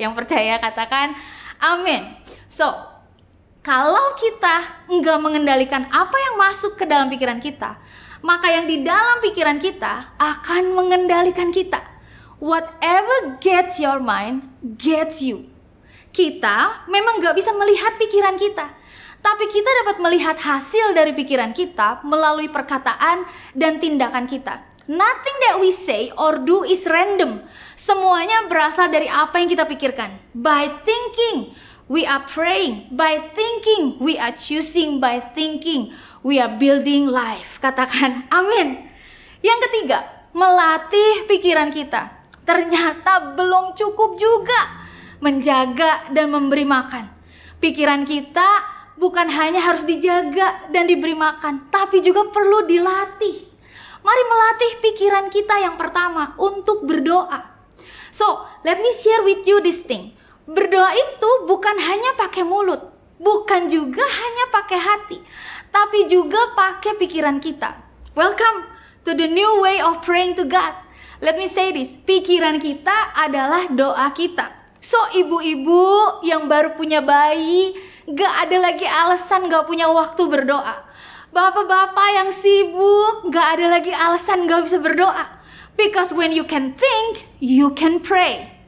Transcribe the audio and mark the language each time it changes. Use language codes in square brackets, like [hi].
[id] Yang percaya katakan, amin. So, kalau kita nggak mengendalikan apa yang masuk ke dalam pikiran kita, maka yang di dalam pikiran kita akan mengendalikan kita. [en] Whatever gets your mind, gets you. [id] Kita memang gak bisa melihat pikiran kita, tapi kita dapat melihat hasil dari pikiran kita melalui perkataan dan tindakan kita. [en] Nothing that we say or do is random. [id] Semuanya berasal dari apa yang kita pikirkan. [en] By thinking, we are praying. By thinking, we are choosing. By thinking, we are building life. [id] Katakan amin. Yang ketiga, melatih pikiran kita. Ternyata belum cukup juga menjaga dan memberi makan. Pikiran kita bukan hanya harus dijaga dan diberi makan, tapi juga perlu dilatih. Mari melatih pikiran kita yang pertama untuk berdoa. [en] So, let me share with you this thing. [id] Berdoa itu bukan hanya pakai mulut, bukan juga hanya pakai hati, tapi juga pakai pikiran kita. [en] Welcome to the new way of praying to God. Let me say this, [id] pikiran kita adalah doa kita. So, ibu-ibu yang baru punya bayi, gak ada lagi alasan gak punya waktu berdoa. Bapak-bapak yang sibuk, gak ada lagi alasan gak bisa berdoa. [en] Because when you can think, you can pray.